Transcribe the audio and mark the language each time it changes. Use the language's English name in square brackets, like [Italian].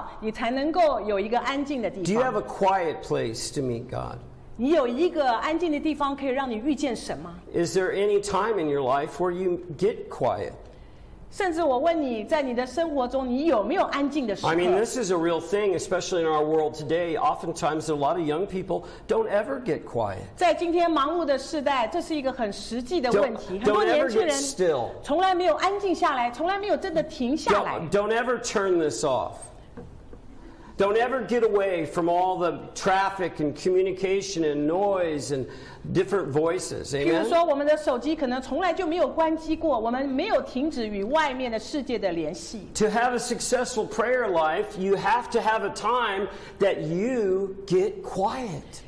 [Chinese] 在这种情况之中，你常常需要起得特别早，你才能够有一个安静的地方。 [English] Do you have a quiet place to meet God? [Chinese] 你有一个安静的地方可以让你遇见神吗？ [English] Is there any time in your life where you get quiet? [Chinese] 甚至我问你，在你的生活中，你有没有安静的时刻？ [English] I mean, this is a real thing, especially in our world today. Oftentimes, a lot of young people don't ever get quiet. [Chinese] 在今天忙碌的时代，这是一个很实际的问题。很多年轻人 从来没有安静下来，从来没有真的停下来。 [English] Don't ever turn this off. Don't ever get away from all the traffic and communication and noise and different voices. Amen? [Chinese] 譬如说我们的手机可能从来就没有关机过，我们没有停止与外面的世界的联系。 [English] To have a successful prayer life, you have to have a time that you get quiet.